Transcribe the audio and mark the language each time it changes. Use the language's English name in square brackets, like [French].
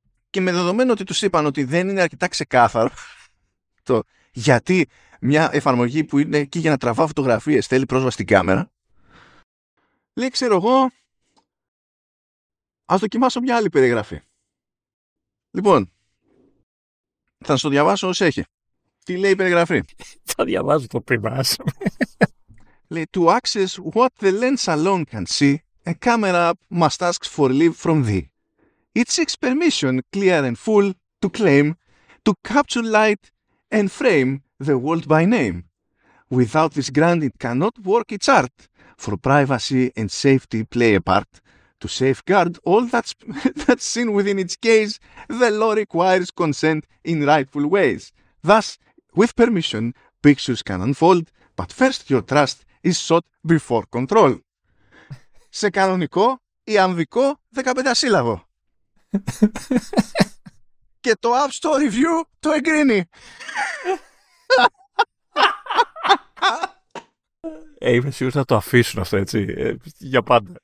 [Greek] Και με δεδομένο ότι τους είπαν ότι δεν είναι αρκετά ξεκάθαρο το γιατί μια εφαρμογή που είναι εκεί για να τραβά φωτογραφίες θέλει πρόσβαση στην κάμερα, λέει, ξέρω εγώ, ας δοκιμάσω μια άλλη περιγραφή. Λοιπόν, θα σου το διαβάσω όσο έχει. Τι λέει η περιγραφή? Θα διαβάζω το πριμάς. [English] Λέει, to access what the lens alone can see, a camera must ask for leave from thee. It seeks permission, clear and full, to claim, to capture light and frame the world by name. Without this grant, it cannot work its art, for privacy and safety play a part. To safeguard all that's seen within its gaze, the law requires consent in rightful ways. Thus, with permission, pictures can unfold, but first your trust is sought before control. [Greek] Σε κανονικό, ιαμβικό, 15 σύλλαβο. Και το App Store Review το εγκρίνει. Είμαι σίγουρος να το αφήσουν αυτό, έτσι, για πάντα.